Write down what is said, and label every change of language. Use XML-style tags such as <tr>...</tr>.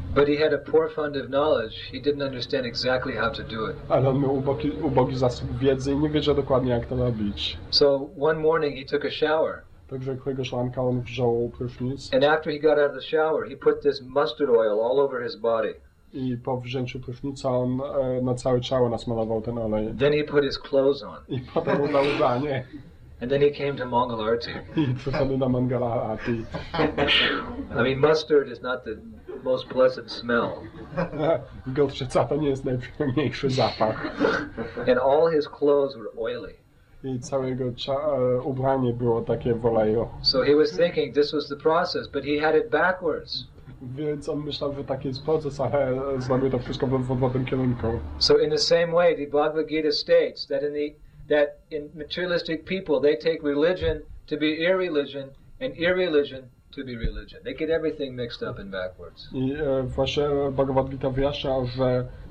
<en>But he had a poor fund of knowledge. He didn't understand exactly how to do it.</en> <pl>Ale on miał ubogi zasób wiedzy i nie wiedział dokładnie, jak to robić.</pl> <en>So one morning he took a shower.</en> <pl>Także któregoś ranka on wziął prysznic.</pl> <en>And after he got out of the shower, he put this mustard oil all over his body.</en> <pl>I po wzięciu prysznica on na całe ciało nasmalował ten olej.</pl> <en>Then he put his clothes on.</en> <pl>I potem udał ubranie.</pl> <en>And then he came to Mangalarti.</en> <pl>I przyszedł na Mangalarti.</pl> <en>I mean, mustard is not the most pleasant smell.</en> <pl>Gorczyca to nie jest najprzyjemniejszy zapach.</pl> <en>And all his clothes were oily.</en> <pl>i całego ubranie było takie volejo.</pl> <en>So he was thinking this was the process, but he had it backwards.</en> <pl>Więc on myślał, że taki jest proces, ale zrobił to wszystko w odwrotnym kierunku.</pl> <en>So in the same way, the Bhagavad Gita states that in materialistic people, they take religion to be irreligion and irreligion to be religion. They get everything mixed up and backwards.</en> <pl>I właśnie Bhagavad Gita wyjaśnia, że</pl>